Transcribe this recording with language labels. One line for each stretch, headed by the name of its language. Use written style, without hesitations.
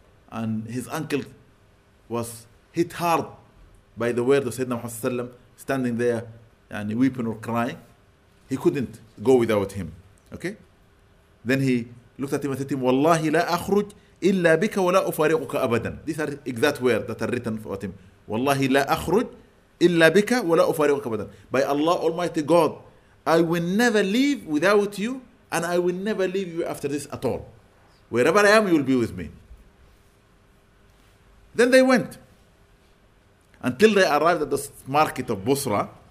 English: And his uncle was hit hard by the word of Sayyidina Muhammad sallallahu alaihi wasallam, standing there and weeping or crying. He couldn't go without him. Okay? Then he looked at him and said to him,
Arabic: "Wallahi la akhruj إلا بك ولا أفارقك أبدا.
English: These are exact words that are written for him.
Arabic: والله لا أخرج إلا بك ولا أفارقك أبدا.
English: By Allah Almighty God, I will never leave without you, and I will never leave you after this at all. Wherever I am, you will be with me. Then they went until they arrived at the market of Busra.